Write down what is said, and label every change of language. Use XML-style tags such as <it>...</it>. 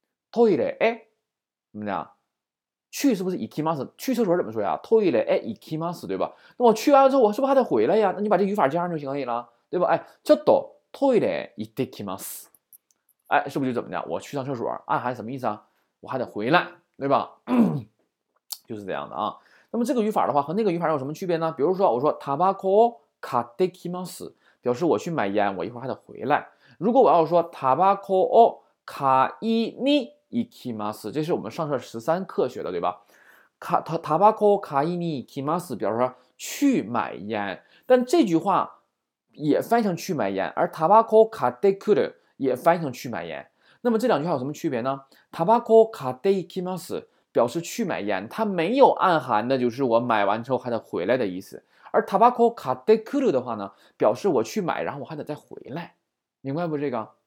<zh>トイレ，哎，怎么样，去是不是行きます，去厕所怎么说呀，トイレ，哎，行きます，对吧，那我去完之后我是不是还得回来呀，那你把这语法加上就行了，对吧，哎，</zh> <ja>ちょっとトイレ行ってきます，</ja> <zh>哎，是不是就怎么样，我去趟厕所，暗含什么意思啊，我还得回来，对吧，就是这样的啊。那么这个语法的话和那个语法有什么区别呢，比如说我说</zh> <ja>タバコ買ってきます，</ja> <zh>表示我去买烟，我一会儿还得回来。如果我要说</zh> <ja>タバコを買いに行きます，</ja> <zh>这是我们上册十三课学的，对吧？</zh> <ja>タバコを買いに行きます，</ja> <zh>表示去买烟。但这句话也翻译成去买烟，而</zh> <ja>タバコを買ってくる</ja> <zh>也翻译成去买烟。那么这两句话有什么区别呢？</zh> <ja>タバコを買って行きます</ja> <zh>表示去买烟，它没有暗含的就是我买完之后还得回来的意思。而</zh> <ja>タバコ買ってくる</ja> <zh>的话呢，表示我去买，然后我还得再回来，明白不这个？</zh>